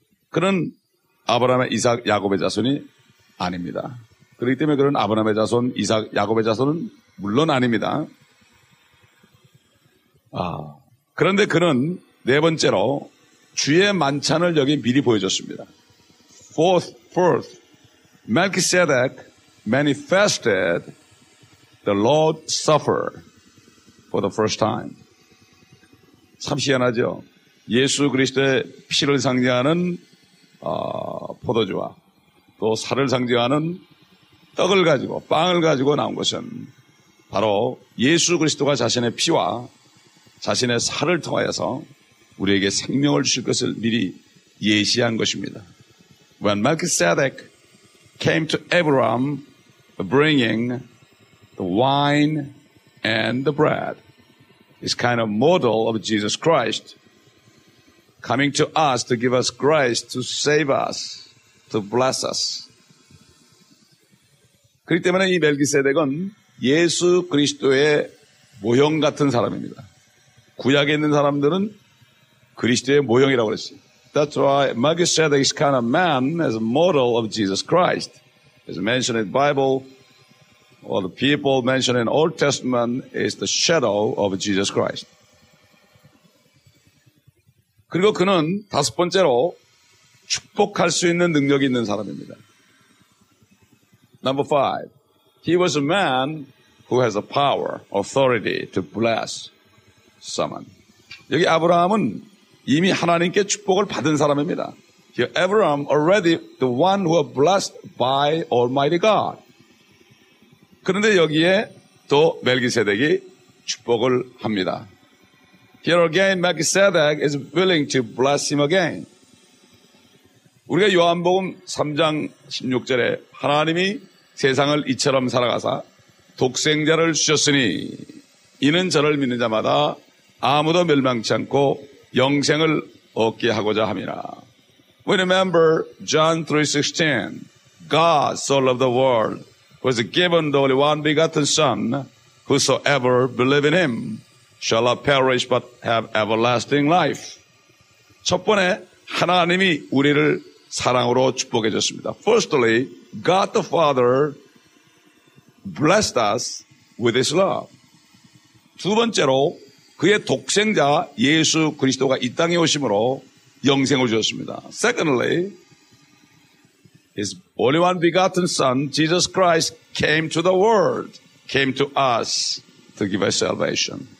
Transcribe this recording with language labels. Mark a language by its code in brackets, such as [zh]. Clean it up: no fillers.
[ko] 그는 아브라함의 이삭 야곱의 자손이 아닙니다. 그렇기 때문에 그런 아브라함의 자손, 이삭, 야곱의 자손은 물론 아닙니다. 그런데 그는 네 번째로 주의 만찬을 여기 미리 보여줬습니다. [en] Fourth, Melchizedek manifested the Lord's Supper for the first time. [ko] 참 희한하죠. 예수 그리스도의 피를 상징하는 포도주와 또 살을 상징하는 떡을 가지고 빵을 가지고 나온 것은 바로 예수 그리스도가 자신의 피와 자신의 살을 통하여서 우리에게 생명을 주실 것을 미리 예시한 것입니다. [en] When Melchizedek came to Abraham bringing the wine and the bread, this kind of model of Jesus Christ coming to us to give us grace to save us, to bless us. [ko] 그렇기 때문에 이 멜기세덱은 예수 그리스도의 모형 같은 사람입니다. 구약에 있는 사람들은 그리스도의 모형이라고 그랬어요. [en] That's why Melchizedek is kind of man as a model of Jesus Christ. As mentioned in the Bible, or the people mentioned in Old Testament is the shadow of Jesus Christ. [ko] 그리고 그는 다섯 번째로 축복할 수 있는 능력이 있는 사람입니다. [en] Number five, he was a man who has the power, authority to bless someone. [ko] 여기 아브라함은 이미 하나님께 축복을 받은 사람입니다. [en] Here Abraham already the one who was blessed by Almighty God. [ko] 그런데 여기에 또 멜기세덱이 축복을 합니다. [en] Here again, Melchizedek is willing to bless him again. [ko] 우리가 요한복음 3장 16절에 하나님이 세상을 이처럼 사랑하사 독생자를 주셨으니 이는 저를 믿는 자마다 아무도 멸망치 않고 영생을 얻게 하고자 함이라. [en] We remember John 3:16. God so loved the world, who has given the only one begotten Son, whosoever believe in him shall not perish but have everlasting life. [ko] 첫 번에 하나님이 우리를 사랑으로 축복해 줬습니다. [en] Firstly, God the Father blessed us with his love. [ko] 두 번째로 그의 독생자 예수 그리스도가 이 땅에 오심으로 영생을 주셨습니다. [en] Secondly, his only one begotten son, Jesus Christ, came to the world, came to us to give us salvation.